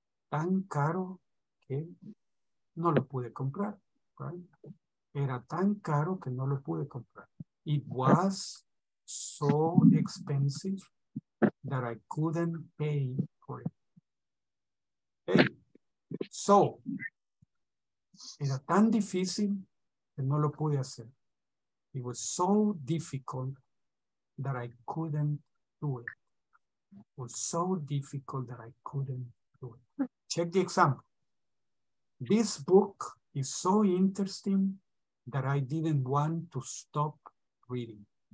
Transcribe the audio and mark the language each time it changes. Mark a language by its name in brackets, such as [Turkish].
[Spanish] Tan caro que no lo pude comprar, right? Era tan caro que no lo pude comprar. [English] It was so expensive that I couldn't pay for it. Okay. [Spanish] So, era tan difícil que no lo pude hacer. [English] It was so difficult that I couldn't do it. It was so difficult that I couldn't do it. Check the example. This book is so interesting that I didn't want to stop reading.